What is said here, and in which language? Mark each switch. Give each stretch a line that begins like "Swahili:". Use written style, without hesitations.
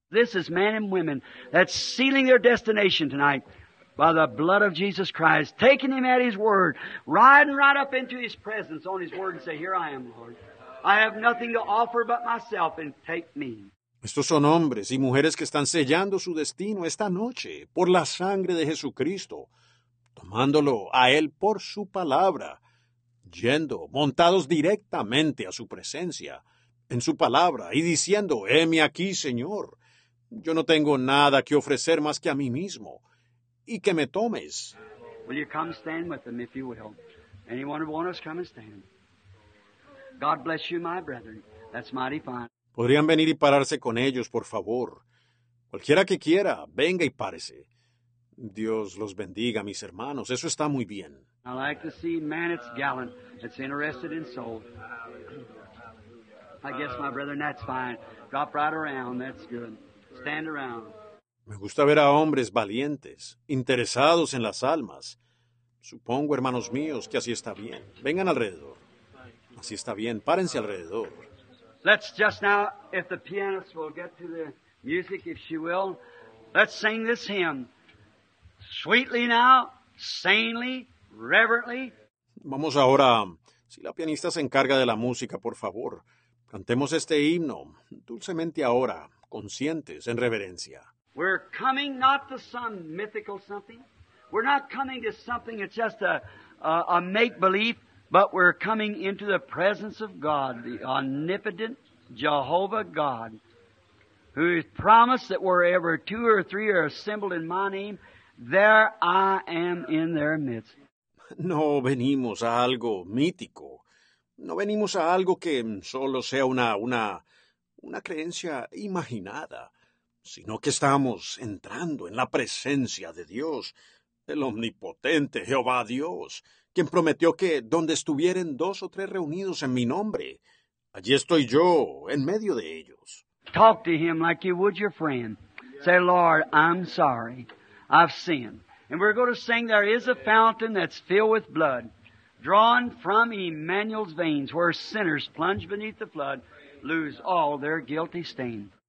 English: This is men and women that's sealing their destination tonight. By the blood of Jesus Christ, taking him at his word, riding right up into his presence on his word and say, here I am, Lord. I have nothing to offer but myself and take me.
Spanish: Estos son hombres y mujeres que están sellando su destino esta noche por la sangre de Jesucristo, tomándolo a él por su palabra, yendo montados directamente a su presencia, en su palabra y diciendo, heme aquí, Señor. Yo no tengo nada que ofrecer más que a mí mismo. Y que me tomes.
English: Will you come stand with them, if you will? Anyone who wants, come and stand. God bless you, my brethren. That's mighty fine.
Spanish: Podrían venir y pararse con ellos, por favor. Cualquiera que quiera, venga y párese. Dios los bendiga, mis hermanos. Eso está muy bien.
English: I like to see man, it's gallant. It's interested in soul. I guess, my brethren, that's fine. Drop right around. That's good. Stand around.
Spanish: Me gusta ver a hombres valientes, interesados en las almas. Supongo, hermanos míos, que así está bien. Vengan alrededor. Así está bien. Párense alrededor.
English: Let's just now, if the pianist will get to the music, if she will, let's sing this hymn. Sweetly now, sanely, reverently.
Spanish: Vamos ahora, si la pianista se encarga de la música, por favor, cantemos este himno, dulcemente ahora, conscientes, en reverencia.
English: We're coming not to some mythical something. We're not coming to something that's just a make-belief, but we're coming into the presence of God, the omnipotent Jehovah God, who has promised that wherever two or three are assembled in my name, there I am in their midst.
Spanish: No venimos a algo mítico. No venimos a algo que solo sea una creencia imaginada. Sino que estamos entrando en la presencia de Dios, el omnipotente Jehová Dios, quien prometió que donde estuvieren dos o tres reunidos en mi nombre, allí estoy yo en medio de ellos.
English: Talk to him like you would your friend. Say, Lord, I'm sorry. I've sinned. And we're going to sing, there is a fountain that's filled with blood. drawn from Emmanuel's veins, where sinners plunge beneath the flood, lose all their guilty stain.